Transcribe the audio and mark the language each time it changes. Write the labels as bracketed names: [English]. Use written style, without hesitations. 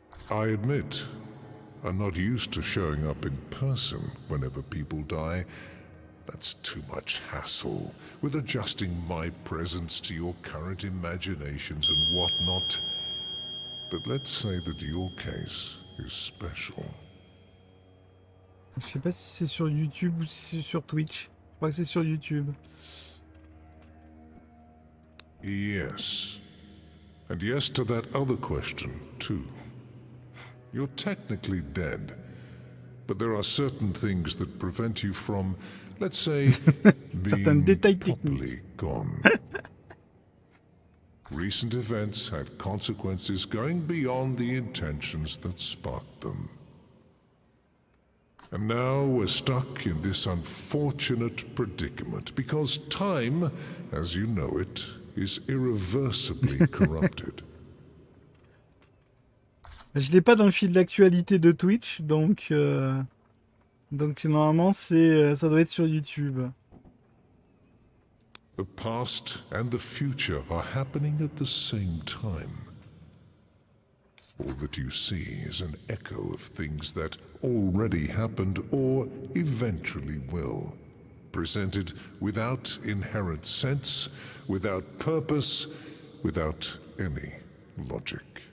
[English] I admit, I'm not used to showing up in person whenever people die. That's too much hassle. With adjusting my presence to your current imaginations and whatnot. But let's say that your case is special. [French] Je sais pas si c'est sur YouTube ou si c'est sur Twitch. Je crois que c'est sur YouTube. [English] Yes. And yes to that other question, too. You're technically dead. But there are certain things that prevent you from... Let's say, being properly gone. Recent events had consequences going beyond the intentions that sparked them. And now we're stuck in this unfortunate predicament, because time, as you know it, is irreversibly corrupted. [French] Je l'ai pas dans le fil d'actualité de Twitch, donc... Donc normalement c'est ça doit être sur YouTube. [English] The past and the future are happening at the same time. All that you see is an echo of things that already happened or eventually will. Presented without inherent sense, without purpose, without any logic.